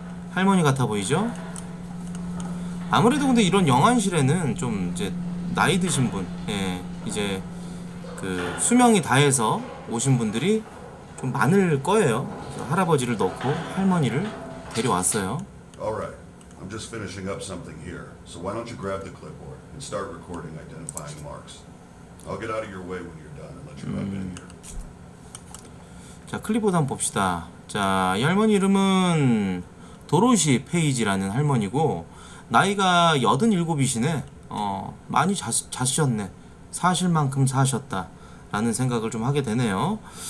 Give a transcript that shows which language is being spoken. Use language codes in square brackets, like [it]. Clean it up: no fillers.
[ko] 할머니 같아 보이죠? 아무래도 근데 이런 영안실에는 좀 이제 나이 드신 분, 예, 이제 그 수명이 다해서 오신 분들이 좀 많을 거예요. 할아버지를 넣고 할머니를 데려왔어요. [en] Alright, I'm just finishing up something here. So why don't you grab the clipboard and start recording identifying marks? I'll get out of your way when you're done and let you hop in here. [ko] 자, 클립보드 한번 봅시다. 자, 이 할머니 이름은 도로시 페이지라는 할머니고 나이가 87이시네. 많이 자시셨네. 사실 만큼 사셨다 라는 생각을 좀 하게 되네요.